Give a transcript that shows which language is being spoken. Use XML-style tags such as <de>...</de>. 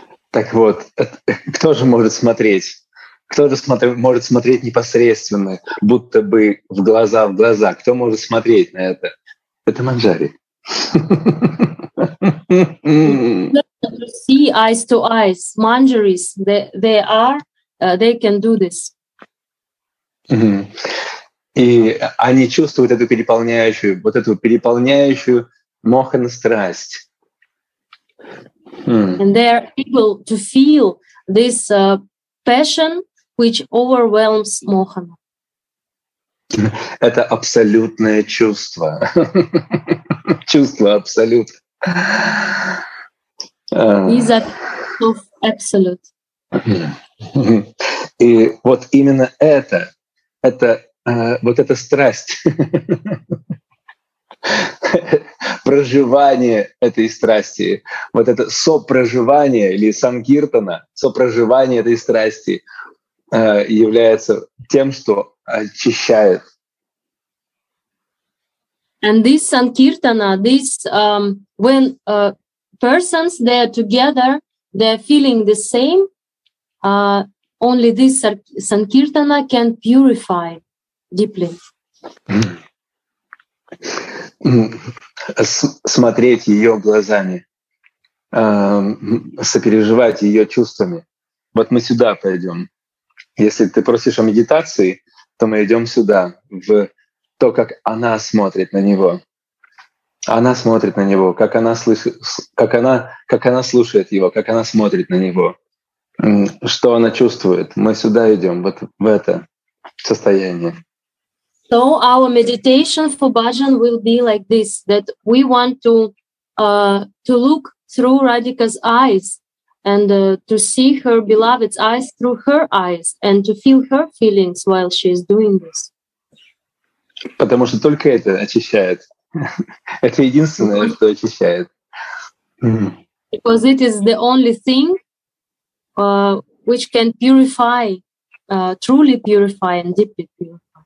<ru>Так вот, кто же может смотреть? Кто же может смотреть непосредственно, будто бы в глаза? Кто может смотреть на это? Это Манджари.</ru> <en>To see eyes to eyes, Manjaris, they can do this.</en> <ru>И они чувствуют эту переполняющую, вот эту переполняющую мохан страсть.</ru> <en>And they are able to feel this passion, which overwhelms mohan.</en> <ru>Это абсолютное чувство. Чувство абсолют.</ru> <en>Is absolute.</en> <ru>И вот именно это вот эта страсть. Проживание этой страсти, вот это сопроживание или сангиртана, сопроживание этой страсти является тем, что очищает.</ru> <en>And this sankirtana, this when persons they are together, they are feeling the same. Only this sankirtana can purify deeply.</en> <ru>Смотреть ее глазами, сопереживать ее чувствами. Вот мы сюда пойдем. Если ты просишь о медитации, то мы идем сюда, в то, как она смотрит на него. Она смотрит на него, как она слышит, как она слушает его, как она смотрит на него, что она чувствует. Мы сюда идем, вот в это состояние.</ru> <en>So our meditation for bhajan will be like this, that we want to look through Radhika's eyes and to see her beloved's eyes through her eyes and to feel her feelings while she is doing this.</en> <ru>Потому что только это очищает. Это единственное, что очищает.</ru> <en>Because it is the only thing which can purify, truly purify and deeply purify.</en>